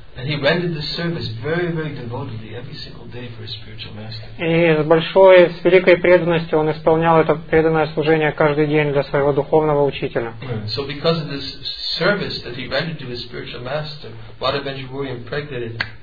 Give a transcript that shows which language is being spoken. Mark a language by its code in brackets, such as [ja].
[en] And he rendered the service very, very devotedly every single day for his spiritual master. [ru] И с великой преданностью он исполнял это преданное служение каждый день для своего духовного учителя. [en] So because of this service that he rendered to his spiritual master, Madhavendra Puri impregnated.